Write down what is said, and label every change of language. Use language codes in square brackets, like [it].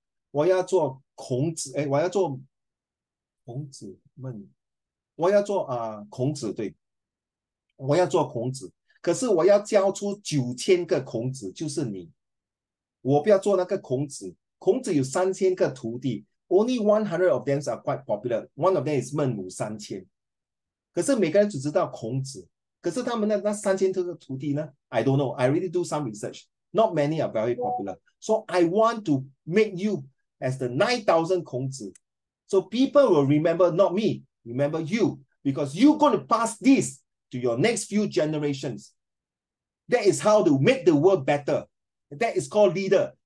[zh] 我要做孔子，哎，我要做孔子们。我要做孔子，对，我要做孔子，可是我要教出9000个孔子，就是你，我不要做那个孔子。孔子有3000个徒弟， [en] only 100 of them are quite popular. One of them is 孟母三迁。 [zh] 可是每个人只知道孔子，可是他们那3000多个徒弟呢？ [en] I don't know. I really do some research. Not many are very popular. So I want to make you as the 9000孔子，so people will remember not me. Remember you, because you're going to pass this to your next few generations. That is how to make the world better. That is called leader.